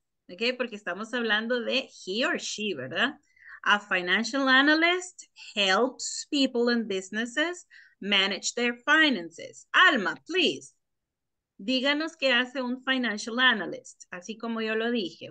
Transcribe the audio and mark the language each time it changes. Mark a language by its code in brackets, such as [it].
[es] Okay, porque estamos hablando de [en] he or she, [es] ¿verdad? [en] A financial analyst helps people and businesses manage their finances. Alma, please. [es] Díganos qué hace un financial analyst, así como yo lo dije.